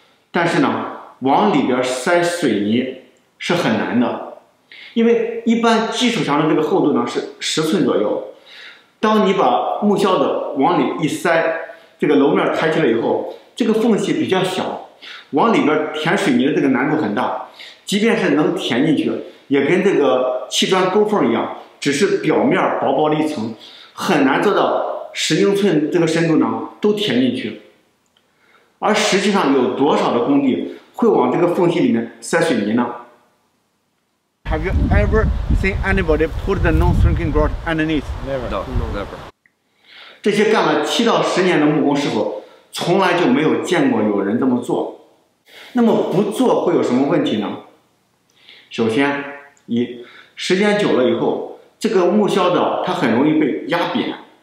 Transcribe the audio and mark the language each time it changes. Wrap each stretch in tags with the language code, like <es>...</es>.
<zh>但是呢往里边塞水泥是很难的，因为一般基础上的这个厚度呢是10寸左右，当你把木削子往里一塞，这个楼面抬起来以后，这个缝隙比较小，往里边填水泥的这个难度很大，即便是能填进去，也跟这个砌砖勾缝一样，只是表面薄薄的一层，很难做到10英寸这个深度呢都填进去。而实际上有多少的工地会往这个缝隙里面塞水泥呢？</zh> <en>Have you ever seen anybody put the non-shrinking grout underneath? Never. No, never.</en> <zh>这些干了7到10年的木工师傅从来就没有见过有人这么做。那么不做会有什么问题呢？首先一，时间久了以后这个木削子它很容易被压扁。</zh>